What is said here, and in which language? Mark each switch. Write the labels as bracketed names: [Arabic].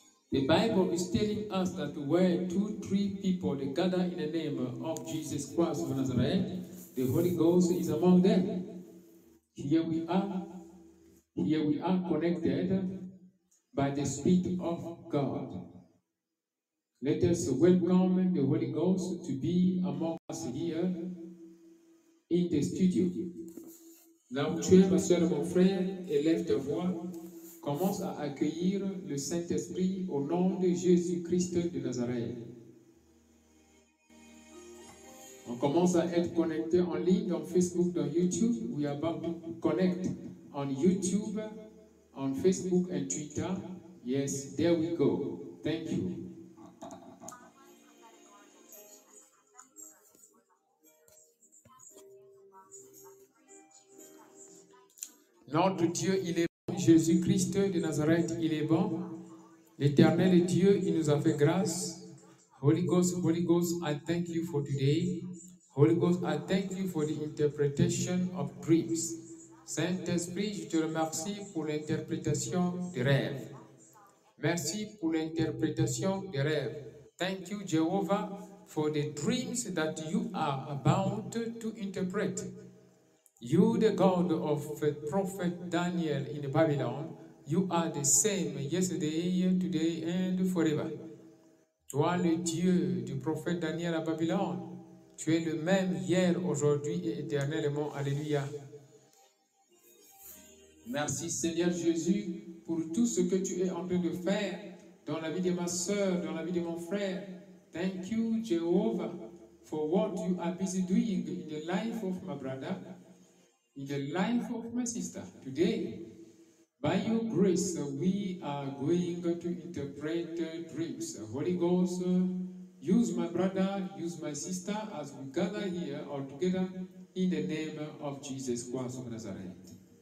[English] The Bible is telling us that where two, three people they gather in the name of Jesus Christ of Nazareth, the Holy Ghost is among them. Here we are connected by the Spirit of God. Let us welcome the Holy Ghost to be among us here in the studio. [French] Now, ma soeur, mon frère, élève ta voix. Commence à accueillir le Saint-Esprit au nom de Jésus-Christ de Nazareth. On commence à être connecté en ligne, dans Facebook, dans YouTube. [English] We are about to connect on YouTube, on Facebook and Twitter. Yes, there we go. Thank you. [French] Notre Dieu, il est Jésus-Christ de Nazareth, il est bon. L'Éternel Dieu, il nous a fait grâce. Holy Ghost, I thank you for today. [English] Holy Ghost, I thank you for the interpretation of dreams. [French] Saint-Esprit, je te remercie pour l'interprétation des rêves. Merci pour l'interprétation des rêves. [English] Thank you, Jehovah, for the dreams that you are about to interpret. You, the God of Prophet Daniel in Babylon, you are the same yesterday, today, and forever. [French] Toi, le Dieu du prophète Daniel à Babylone, tu es le même hier, aujourd'hui et éternellement. Alléluia. Merci, Seigneur Jésus, pour tout ce que tu es en train de faire dans la vie de ma sœur, dans la vie de mon frère. [English] Thank you, Jehovah, for what you are busy doing in the life of my brother, in the life of my sister. Today, by your grace, we are going to interpret dreams. Holy Ghost, use my brother, use my sister as we gather here all together in the name of Jesus Christ of Nazareth.